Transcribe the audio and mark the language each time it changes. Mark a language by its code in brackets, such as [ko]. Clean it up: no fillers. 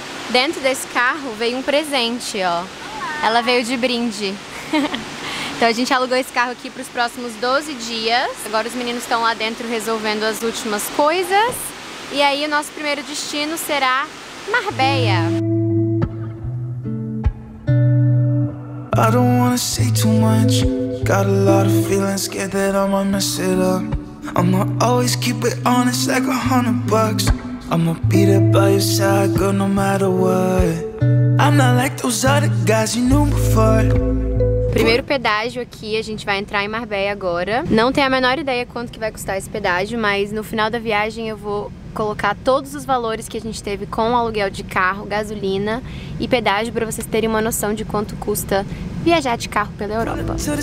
[pt] Dentro desse carro veio um presente, ó. Olá. Ela veio de brinde. Então a gente alugou esse carro aqui para os próximos 12 dias. Agora os meninos estão lá dentro resolvendo as últimas coisas. E aí o nosso primeiro destino será Marbella. [en] I don't wanna say too much. Got a lot of feelings, get that I might mess it up. I'ma always keep it honest like $100. I'ma be there by your side, girl, no matter what. I'm not like those other guys you knew before. [pt] Primeiro pedágio aqui, a gente vai entrar em Marbella agora. Não tenho a menor ideia quanto que vai custar esse pedágio, mas no final da viagem eu vou colocar todos os valores que a gente teve com aluguel de carro, gasolina e pedágio para vocês terem uma noção de quanto custa viajar de carro pela Europa.